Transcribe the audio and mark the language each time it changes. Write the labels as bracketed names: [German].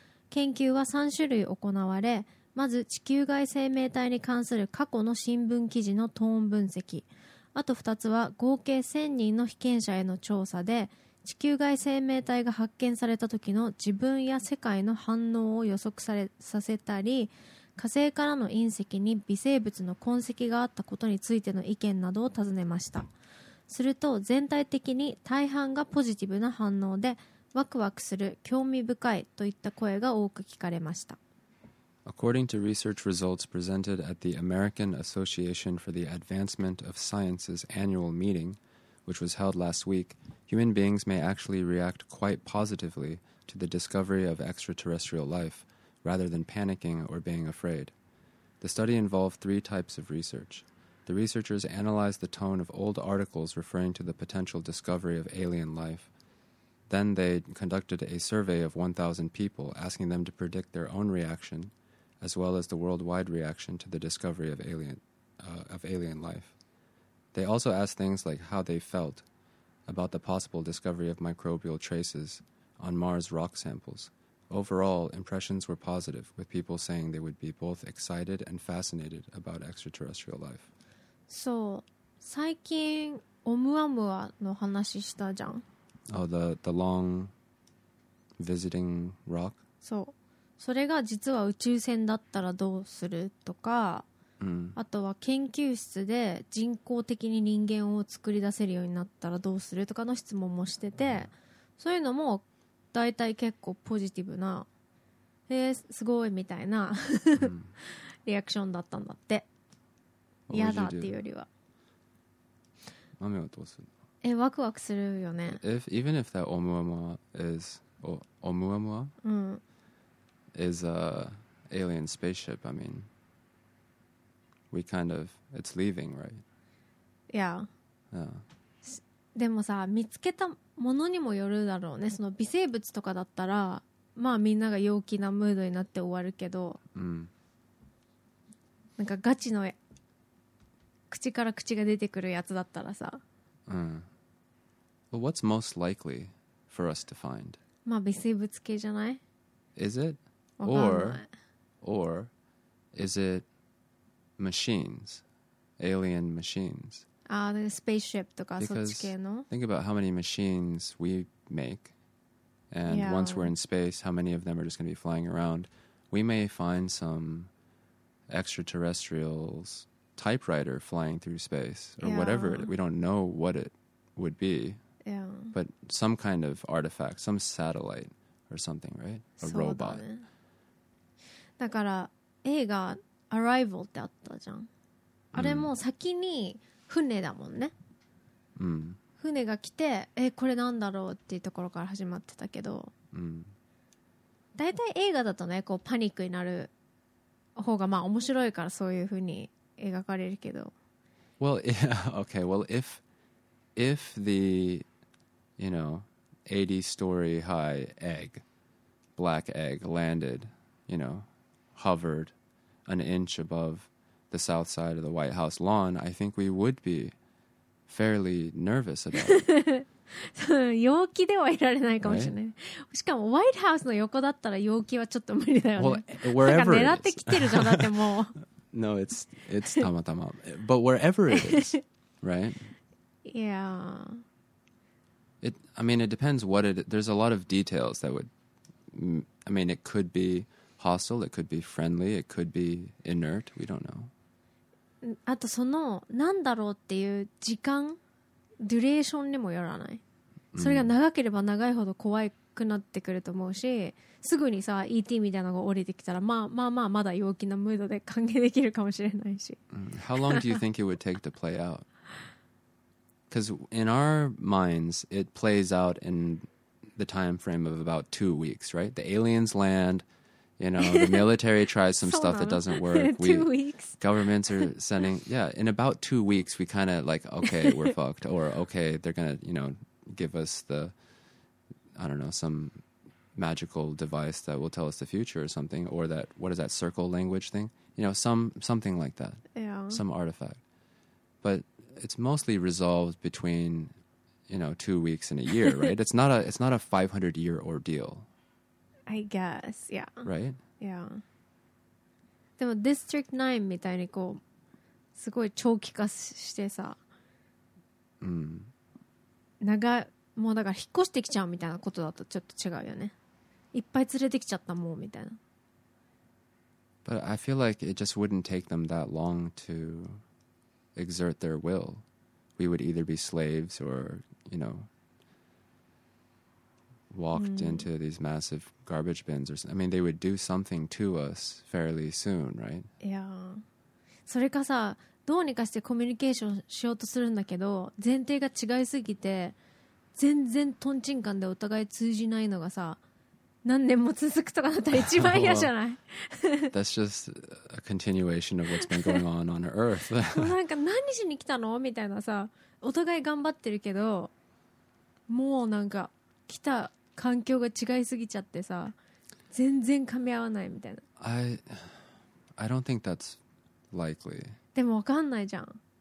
[Japanese] 研究は3種類行われ、まず地球外生命体に関する過去の新聞記事のトーン分析、あと2つは合計1000人の被験者への調査で、地球外生命体が発見された時の自分や世界の反応を予測されさせたり、火星からの隕石に微生物の痕跡があったことについての意見などを尋ねました。すると全体的に大半がポジティブな反応で、ワクワクする、興味深いといった声が多く聞かれました。 [English] According to research results presented at the American Association for the Advancement of Science's annual meeting, which was held last week, human beings may actually react quite positively to the discovery of extraterrestrial life, rather than panicking or being afraid. The study involved three types of research. The researchers analyzed the tone of old articles referring to the potential discovery of alien life. Then they conducted a survey of 1,000 people, asking them to predict their own reaction, as well as the worldwide reaction to the discovery of alien life. They also asked things like how they felt about the possible discovery of microbial traces on Mars rock samples. Overall, impressions were positive, with people saying they would be both excited and fascinated about extraterrestrial life. [Japanese] そう、最近オムアムアの話したじゃん。 [English] Oh, the long visiting rock? [Japanese] そう、それが実は宇宙船だったらどうするとか、あとは研究室で人工的に人間を作り出せるようになったらどうするとかの質問もしてて、そういうのもだいたい結構ポジティブな、すごいみたいなリアクションだったんだって。嫌だっていうよりは、マメはどうするの？ワクワクするよね。 [English] Even if that Oumuamua is Oumuamua、is a alien spaceship, I mean, we kind of it's leaving, right? Yeah. Yeah. [Japanese] でもさ、見つけたものにもよるだろうね。その微生物とかだったら、まあみんなが陽気なムードになって終わるけど、なんかガチの口から口が出てくるやつだったらさ、 [English] Well, what's most likely for us to find? [Japanese] まあ微生物系じゃない？ [English] Is it? [Japanese] わかんない。 [English] Or is it machines? Alien machines? [Japanese] ああ、で、スペースシップとかそっち系の？ [English] Think about how many machines we make, and once we're in space, how many of them are just going to be flying around? We may find some extraterrestrials. Typewriter flying through space or whatever. We don't know what it would be, but some kind of artifact, some satellite or something, right? A robot. [Japanese] そうだね。だから映画 Arrival ってあったじゃん。あれも先に船だもんね。船が来て、これなんだろうっていうところから始まってたけど、だいたい映画だとね、こうパニックになる方がまあ面白いからそういうふうに描かれるけど。 [English] Well, yeah, okay. Well, if the, you know, 80 story high egg, black egg landed, you know, hovered an inch above the south side of the White House lawn, I think we would be fairly nervous about it. [Japanese] 陽気ではいられないかもしれない。 [English] Right? [Japanese] しかも White House の横だったら陽気はちょっと無理だよね。 [English] Well, wherever [Japanese] だから狙ってきてるじゃん、だってもう。 [English] No, it's tamatama. But wherever it is, right? Yeah. It depends what it... There's a lot of details that would... I mean, it could be hostile, it could be friendly, it could be inert, we don't know. [Japanese] あとその、なんだろうっていう時間、デュレーションにもよらない。それが長ければ長いほど怖くなってくると思うし、すぐにさ ET みたいなのが降りてきたら、まあ、まあまあまだ陽気なムードで歓迎できるかもしれないし。 [English] How long do you think it would take to play out? Because in our minds, it plays out in the time frame of about 2 weeks, right? The aliens land, you know, the military tries some stuff that doesn't work. two weeks. Governments are sending, yeah, in about 2 weeks, we kind of like, okay, we're fucked. Or, okay, they're going to, you know, give us the, I don't know, some magical device that will tell us the future or something. Or that, what is that, circle language thing? You know, something like that. Yeah. Some artifact. But it's mostly resolved between, you know, 2 weeks and a year, right? It's not a 500-year ordeal. I guess, yeah. Right? Yeah. [Japanese] でも District 9みたいにこうすごい長期化してさ、長いもうだから引っ越してきちゃうみたいなことだとちょっと違うよね。いっぱい連れてきちゃったもんみたいな。 [English] But I feel like it just wouldn't take them that long to exert their will. We would either be slaves or, you know, walked into these massive garbage bins. I mean, they would do something to us fairly soon, right? Yeah. [Japanese] それかさ、どうにかしてコミュニケーションしようとするんだけど、前提が違いすぎて、全然トンチンカンでお互い通じないのがさ、何年も続くとかだったら一番嫌じゃない [English] well, That's just a continuation of what's been going on Earth. [Japanese] なんか何しに来たのみたいなさ、お互い頑張ってるけど、もうなんか来た環境が違いすぎちゃってさ、全然噛み合わないみたいな。 [English] I don't think that's likely. [Japanese] でも分かんないじゃん。